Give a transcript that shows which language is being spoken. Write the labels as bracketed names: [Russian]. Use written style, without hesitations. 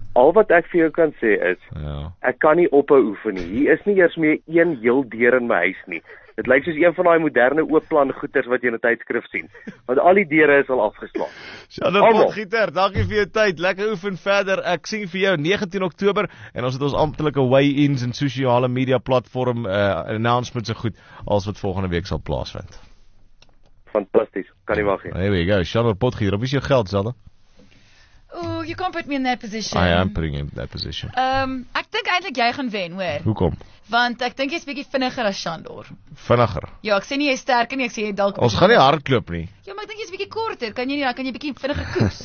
[Afrikaans] Al wat ek vir jou kan sê is, ek kan nie ophou oefen nie. Hier is nie eers meer een heel deur in my huis nie. Dit lyk soos een van daai moderne oopplan goeders wat jy in 'n tydskrif sien. Want al die deure is al afgeslaan. Shandor Potgieter, dankie vir jou tyd. Lekker oefen verder. Ek sien vir jou 19 Oktober en ons het ons amptelike weigh-ins en sosiale media platform announcements so goed as wat volgende week sal plaasvind. Fantastisch. Kan nie wag nie. [English] There we go. [Afrikaans] Shandor Potgieter, op is jou geld, Zelda? [English] Ooh, you can't put me in that position. I am putting him in that position. [Afrikaans] Ek dink eintlik jy gaan wen, hoor. Hoekom? Want ek dink jy's bietjie vinniger as Shandor. Vinniger? Ja, ek sê nie jy's sterker nie, ek sê jy dalk. Ons gaan nie hardloop nie. Ja, maar ek dink jy's bietjie korter. Kan jy nie, kan jy bietjie vinniger koers?